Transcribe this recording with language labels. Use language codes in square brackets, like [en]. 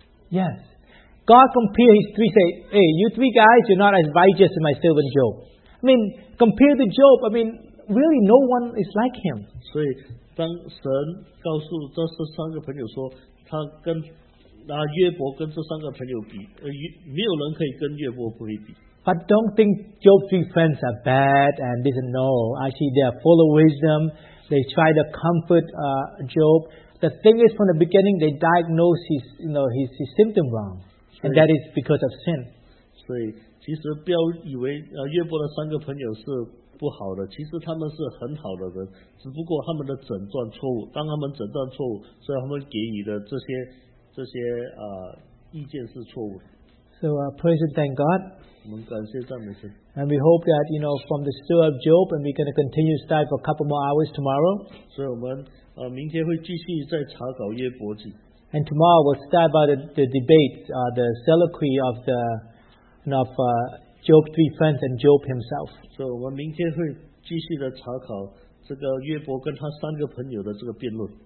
[en] ？Yes, God compare his three say, "Hey, you three guys, you're not as righteous as my servant Job." I mean, compare to Job. I mean, really, no one is like him. [zh] 所以当神告诉这三个朋友说，他跟约伯跟这三个朋友比，没有人可以跟约伯不会比。 [en] But don't think Job's three friends are bad and didn't know. Actually, they are full of wisdom. They try to comfort Job. The thing is, from the beginning, they diagnose his symptom wrong, and that is because of sin. [zh] 所以其实不要以为约伯的三个朋友是不好的，其实他们是很好的人，只不过他们的诊断错误。当他们诊断错误，所以他们给予的这些。这些, 意见是错误的。 [en] So praise and thank God. [zh] 我们感谢赞美神。 [en] And we hope that, you know, from the story of Job, and we're going to continue to study for a couple more hours tomorrow. [zh] 所以我们, 明天会继续再查考约伯记。 [en] And tomorrow we'll start about the debate, the soliloquy of the, you know, of Job's three friends and Job himself. [zh] So 我们明天会继续的查考这个约伯跟他三个朋友的这个辩论。